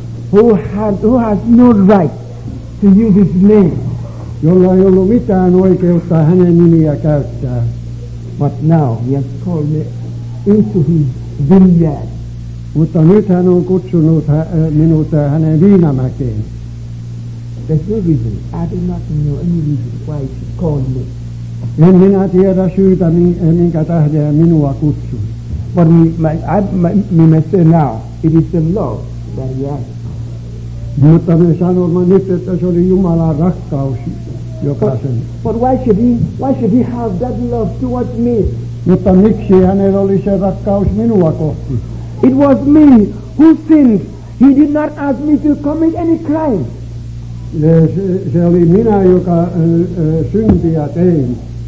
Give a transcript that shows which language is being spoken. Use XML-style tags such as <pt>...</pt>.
<en>Who has no right to use his name.</en> <fi>Jolla ei ollut mitään oikeutta hänen nimiä käyttää.</fi> <en>But now he has called me into his vineyard.</en> <fi>Mutta nyt hän on kutsunut minut hänen viinamäkeen.</fi> <en>There's no reason. I do not know any reason why he called me.</en> <fi>En minä tiedä syytä, minkä tähden minua kutsui.</fi> <en>But me may say now, it is the Lord that he asked.</en> <fi>Mutta me sanomme nyt, että se oli Jumalan rakkaus, joka sen.</fi> <en>But why should he have that love towards me?</en> <fi>Mutta miksi hänellä oli se rakkaus minua kohti?</fi> <en>It was me who sinned. He did not ask me to commit any crime.</en> <fi>Se oli minä, joka syntiä tein.</fi>